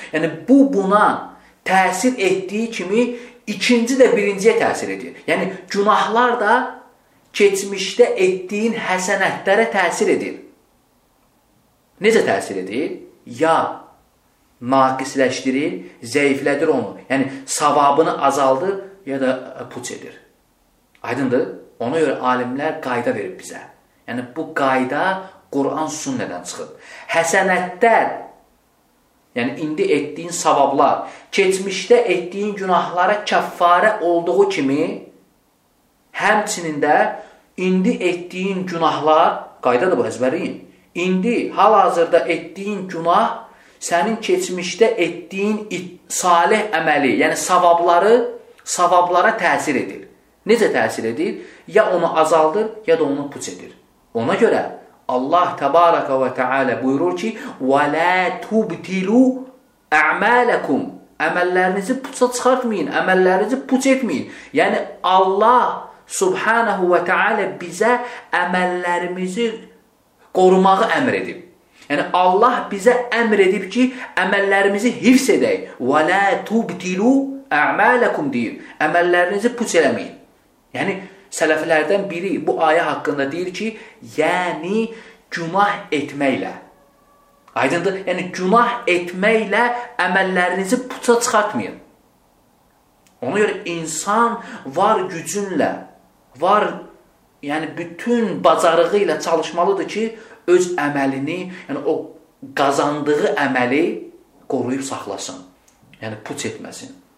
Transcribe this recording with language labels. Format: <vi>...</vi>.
<az>Yəni, bu buna təsir etdiyi kimi ikinci də birinciyə təsir edir. Yəni, günahlar da keçmişdə etdiyin həsənətlərə təsir edir. Necə təsir edir? Ya naqisləşdirir, zəiflədir onu. Yəni, savabını azaldır ya da puç edir. Aydındır? Ona görə alimlər qayda verib bizə. Yəni, bu qayda Quran sünnədən çıxıb. Həsənətlər, yəni indi etdiyin savablar, keçmişdə etdiyin günahlara kəffarə olduğu kimi, həmçinin də indi etdiyin günahlar, qayda da bu, əzbərin, indi hal-hazırda etdiyin günah, sənin keçmişdə etdiyin salih əməli, yəni savabları, savablara təsir edir. Necə təsir edir? Ya onu azaldır, ya da onu puç edir. Ona görə Allah təbarəkə və təalə buyurur ki,</az> <ar>وَلَا تُبْتِلُوا أَعْمَالَكُمْ</ar> <az>Əməllərinizi puça çıxartmayın, əməllərinizi puç etməyin. Yəni Allah subhanəhu və təalə bizə əməllərimizi qorumağı əmr edib. Yəni, Allah bizə əmr edib ki, əməllərimizi hifz edək.</az> <ar>وَلَا تُبْتِلُوا أَعْمَالَكُمْ deyir.</ar> <az>Əməllərinizi puç eləməyin. Yəni, sələflərdən biri bu ayə haqqında deyir ki, yəni, günah etməklə. Aydındır? Yəni günah etməklə əməllərinizi puça çıxartmayın. Ona görə insan var gücünlə, var yəni bütün bacarığı ilə çalışmalıdır ki, öz əməlini, yəni o qazandığı əməli qoruyub saxlasın. Yəni puç etməsin.</az>